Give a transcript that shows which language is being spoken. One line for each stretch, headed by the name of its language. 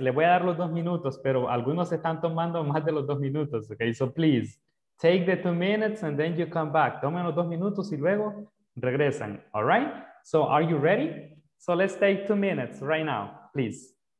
Spanish: Le voy a dar los 2 minutos, pero algunos están tomando más de los 2 minutos, okay?
English: So please, take the 2 minutes and then you come back.
Spanish: Tomen los 2 minutos y luego regresan,
English: all right? So are you ready? So let's take 2 minutes right now, please.